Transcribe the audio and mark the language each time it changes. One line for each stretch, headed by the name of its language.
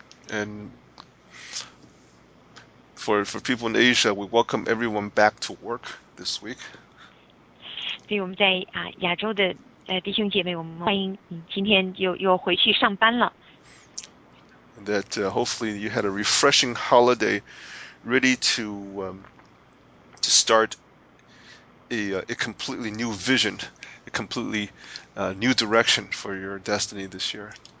English: And for people in Asia, we welcome everyone back to work this week.
Chinese: 对我们在亚洲的弟兄姐妹，我们欢迎你今天又回去上班了。
English: That hopefully you had a refreshing holiday, ready to start a completely new vision, a completely new direction for your destiny this year.